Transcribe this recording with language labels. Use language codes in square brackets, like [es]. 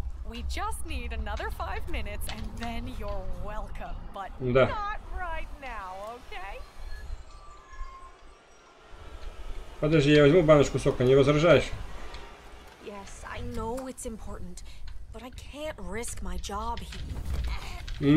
[en] We just need another 5 minutes, and then you're welcome, but да. Not right now, okay? [ru] Подожди, я возьму баночку сока, не возражаешь? [en] Yes, I know it's important, but I can't risk my job here.